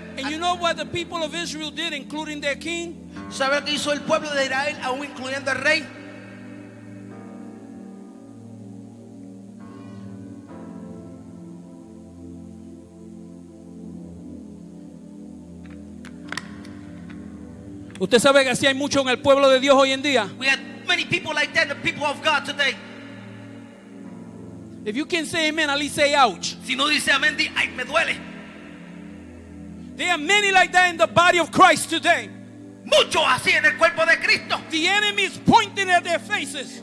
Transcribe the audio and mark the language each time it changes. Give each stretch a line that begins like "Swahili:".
English: And you know what the people of Israel did, including their king?
Spanish: ¿Sabe lo que hizo el pueblo de Israel, aún incluyendo el rey? Usted sabe que así hay mucho en el pueblo de Dios hoy en día.
English: We have many people like that, the people of God today. If you can't say amen, at least say ouch.
Spanish: Si no dice amén, di ay, me duele.
English: There are many like that in the body of Christ today.
Spanish: Mucho así en el cuerpo de Cristo.
English: The enemy is pointing at their faces.